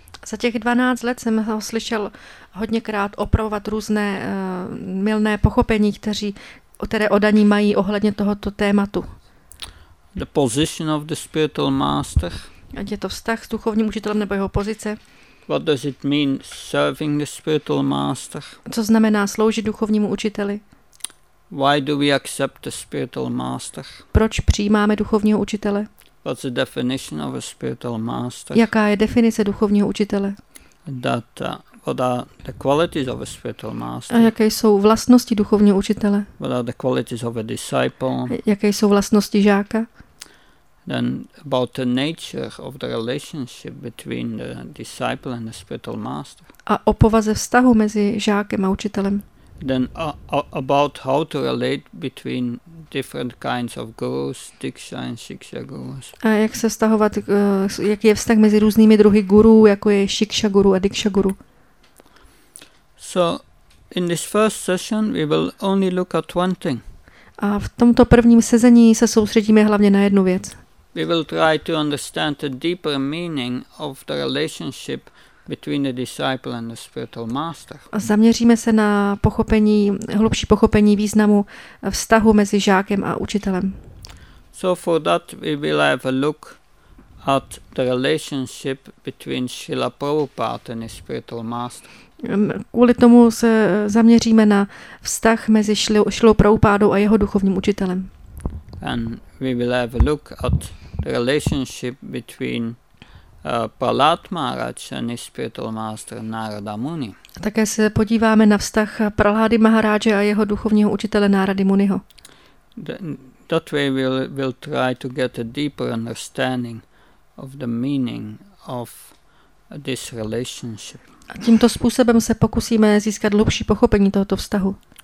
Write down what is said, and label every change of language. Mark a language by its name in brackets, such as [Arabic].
[Czech] Za těch 12 let jsem ho slyšel hodněkrát opravovat různé mylné pochopení, které odaní mají ohledně tohoto tématu. [English] The position of the spiritual master. [Czech] Ať je to vztah s duchovním učitelem nebo jeho pozice. [English] What does it mean serving the spiritual master? [Czech] Co znamená sloužit duchovnímu učiteli? [English] Why do we accept the spiritual master? [Czech] Proč přijímáme duchovního učitele? [English] What's the definition of a spiritual master? [Czech] Jaká je definice duchovního učitele? [English] What are the qualities of a spiritual master? [Czech] A jaké jsou vlastnosti duchovního učitele? [English] What are the qualities of a disciple? [Czech] Jaké jsou vlastnosti žáka? [English] Then about the nature of the relationship between the disciple and the spiritual master. [Czech] A o povaze vztahu mezi žákem a učitelem. [English] Then about how to relate between different kinds of gurus, diksha and shiksha gurus. [Czech] A jak se vztahovat, jaký je vztah mezi různými druhy gurů, jako je shiksha guru a diksha guru. [English] So in this first session we will only look at one thing. [Czech] A v tomto prvním sezení se soustředíme hlavně na jednu věc. [English] We will try to understand the deeper meaning of the relationship between the disciple and the spiritual master. [Czech] A zaměříme se na pochopení, hlubší pochopení významu vztahu mezi žákem a učitelem. [English] So for that we will have a look at the relationship between Srila Prabhupada and his spiritual master. [Czech] Kvůli tomu se zaměříme na vztah mezi Šrilou Prabhupádou a jeho duchovním učitelem. [English] And we will have a look at the relationship between Prahlád Maharaj and his spiritual master Narada Muni. [Czech] Také se podíváme na vztah Prahlády Maharaje a jeho duchovního učitele Narady Muniho. [English] That way we'll try to get a deeper understanding of the meaning of this relationship. [Czech] A tímto způsobem se pokusíme získat hlubší pochopení tohoto vztahu.